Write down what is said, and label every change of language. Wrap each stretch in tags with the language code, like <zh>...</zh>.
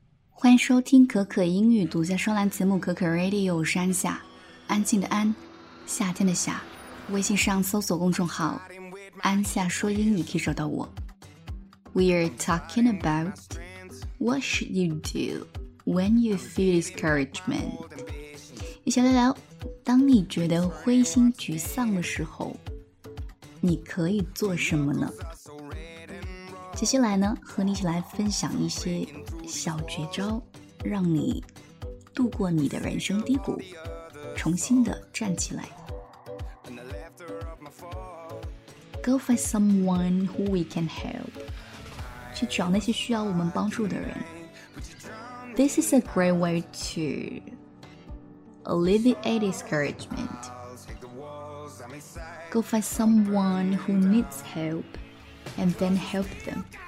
<zh>欢迎收听可可英语独家双栏节目可可 Radio， 我是安夏，安静的安，夏天的夏。微信上搜索公众号安夏说英语可以找到我。</zh> <en>We are talking about What should you do when you feel discouragement，</en> <zh>一起来聊，当你觉得灰心沮丧的时候你可以做什么呢？接下来呢，和你一起来分享一些小绝招，让你度过你的人生低谷，重新的站起来。</zh> <en>Go find someone who we can help，</en> <zh>去找那些需要我们帮助的人。</zh> <en>This is a great way to alleviate discouragement。 Go find someone who needs help and then help them。</en>